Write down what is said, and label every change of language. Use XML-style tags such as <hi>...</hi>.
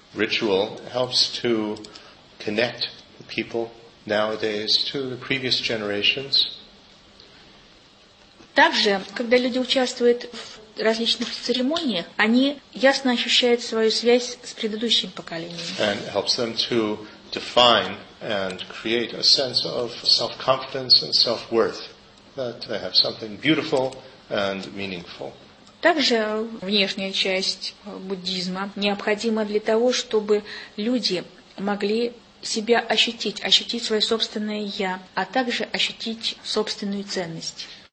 <en>Ritual helps to connect people nowadays to the previous generations.</en> <ru>Также, когда люди участвуют в различных церемониях, они ясно ощущают свою связь с предыдущим поколением.</ru> <en>And helps them to define and create a sense of self-confidence and self-worth, that they have something beautiful and meaningful.</en> <ru>Также внешняя часть буддизма необходима для того, чтобы люди могли себя ощутить, ощутить свое собственное «я», а также ощутить собственную ценность.</ru>